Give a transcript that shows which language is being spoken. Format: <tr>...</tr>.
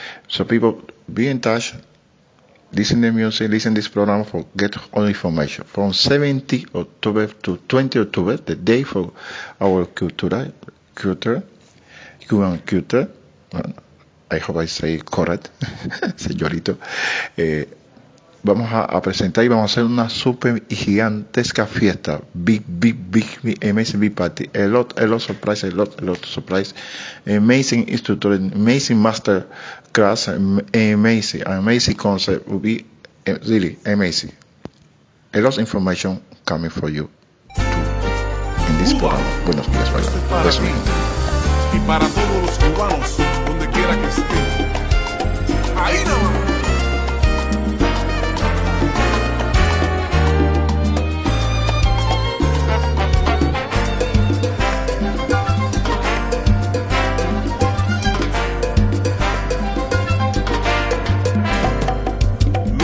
<en>So people, be in touch, listen to music, listen to this program for get all information. From 17 October to 20 October, the day for our culture, Cuban culture, I hope I say correct, señorito.</en> <es>Vamos a presentar y vamos a hacer una super gigantesca fiesta.</es> <en>Big amazing party. A lot of surprise. Amazing instructor, amazing master class, amazing concert. It will be really amazing. A lot of information coming for you.</en> <es>en Lisboa. Buenos días, Bahía. Y para todos los cubanos, donde quiera que estén. Ahí no.</es>